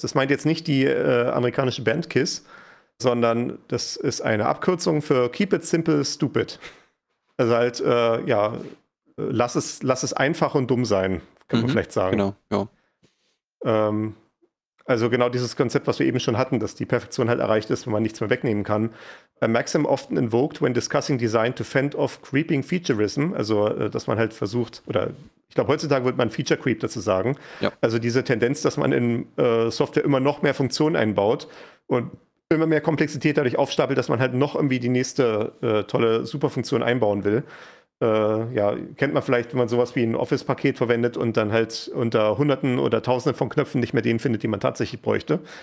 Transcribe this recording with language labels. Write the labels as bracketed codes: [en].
[de] Das meint jetzt nicht die amerikanische Band KISS, sondern das ist eine Abkürzung für [en] Keep it simple, stupid. [de] Also halt, lass es einfach und dumm sein, kann man vielleicht sagen. Genau, ja. Also genau dieses Konzept, was wir eben schon hatten, dass die Perfektion halt erreicht ist, wenn man nichts mehr wegnehmen kann. [en] A maxim often invoked when discussing design to fend off creeping featureism. [de] Also, dass man halt versucht, oder ich glaube, heutzutage würde man Feature Creep dazu sagen. Ja. Also diese Tendenz, dass man in Software immer noch mehr Funktionen einbaut und immer mehr Komplexität dadurch aufstapelt, dass man halt noch irgendwie die nächste tolle Superfunktion einbauen will. Ja, kennt man vielleicht, wenn man sowas wie ein Office-Paket verwendet und dann halt unter Hunderten oder Tausenden von Knöpfen nicht mehr den findet, den man tatsächlich bräuchte.